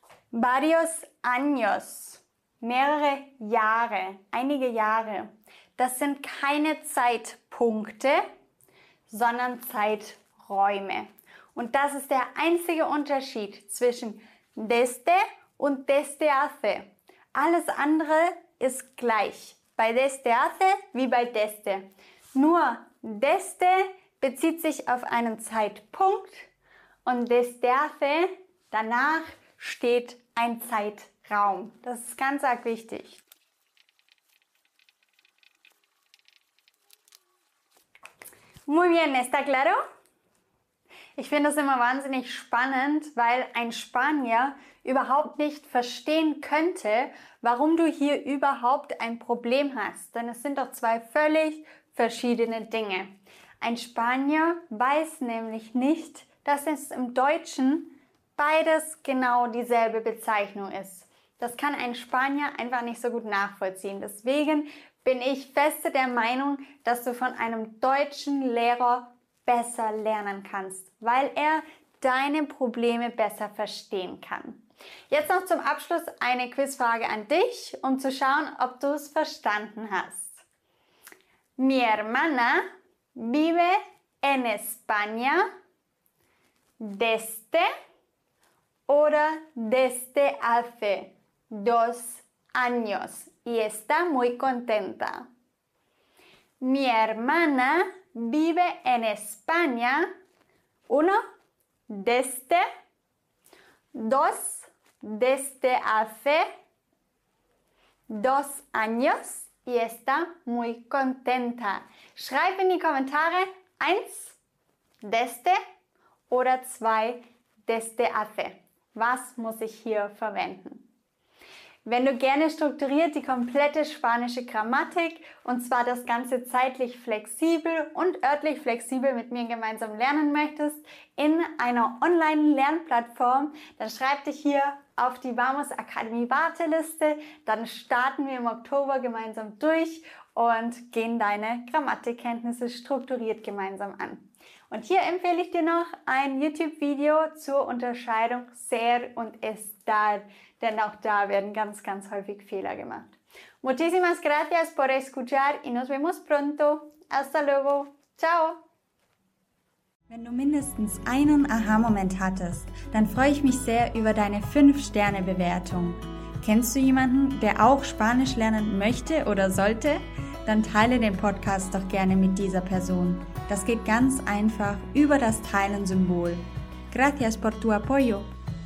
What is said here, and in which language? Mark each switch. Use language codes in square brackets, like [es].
[es] Varios años, [de] mehrere Jahre, einige Jahre. Das sind keine Zeitpunkte, sondern Zeiträume. Und das ist der einzige Unterschied zwischen desde und desde hace. Alles andere ist gleich. Bei desde hace wie bei desde. Nur desde bezieht sich auf einen Zeitpunkt und desde hace danach steht ein Zeitraum. Das ist ganz arg wichtig. [es] Muy bien, ¿está claro? [de] Ich finde das immer wahnsinnig spannend, weil ein Spanier überhaupt nicht verstehen könnte, warum du hier überhaupt ein Problem hast. Denn es sind doch zwei völlig verschiedene Dinge. Ein Spanier weiß nämlich nicht, dass es im Deutschen beides genau dieselbe Bezeichnung ist. Das kann ein Spanier einfach nicht so gut nachvollziehen. Deswegen bin ich feste der Meinung, dass du von einem deutschen Lehrer besser lernen kannst, weil er deine Probleme besser verstehen kann. Jetzt noch zum Abschluss eine Quizfrage an dich, um zu schauen, ob du es verstanden hast. [es] Mi hermana vive en España desde [de] oder [es] desde hace 2 años y está muy contenta. Mi hermana vive en España, uno, desde, dos, desde hace 2 años y está muy contenta. [de] Schreib in die Kommentare, 1, desde oder 2, desde hace. Was muss ich hier verwenden? Wenn du gerne strukturiert die komplette spanische Grammatik und zwar das Ganze zeitlich flexibel und örtlich flexibel mit mir gemeinsam lernen möchtest in einer Online-Lernplattform, dann schreib dich hier auf die Vamos Academy Warteliste. Dann starten wir im Oktober gemeinsam durch und gehen deine Grammatikkenntnisse strukturiert gemeinsam an. Und hier empfehle ich dir noch ein YouTube-Video zur Unterscheidung ser und estar, denn auch da werden ganz, ganz häufig Fehler gemacht. [es] Muchísimas gracias por escuchar y nos vemos pronto. Hasta luego. Ciao. [de] Wenn du mindestens einen Aha-Moment hattest, dann freue ich mich sehr über deine 5-Sterne-Bewertung. Kennst du jemanden, der auch Spanisch lernen möchte oder sollte? Dann teile den Podcast doch gerne mit dieser Person. Das geht ganz einfach über das Teilen-Symbol. [es] Gracias por tu apoyo.